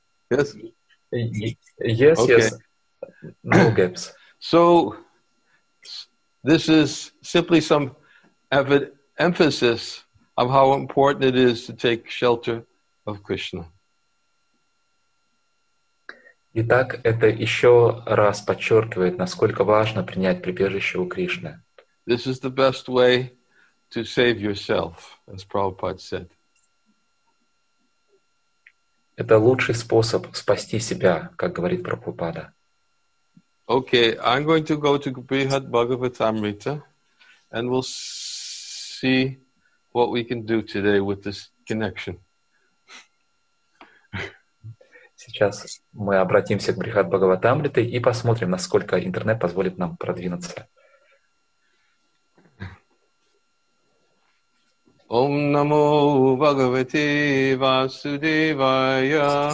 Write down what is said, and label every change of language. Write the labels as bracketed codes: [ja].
[en] Yes. Yes, Okay. yes. No gaps. So this is simply some emphasis of how important it is to take shelter of Krishna. [ru] Итак, это еще раз подчеркивает, насколько важно принять прибежище у Кришны. [en] This is the best way to save yourself, as Prabhupada said. [ru] Это лучший способ спасти себя, как говорит Прабхупада. [en] Okay, I'm going to go to Brihad Bhagavatamrita and we'll see what we can do today with this connection. [ru] Сейчас мы обратимся к Брихат Бхагаватамрите и посмотрим, насколько интернет позволит нам продвинуться. [sa] Ом намо Бхагавате Васудевая.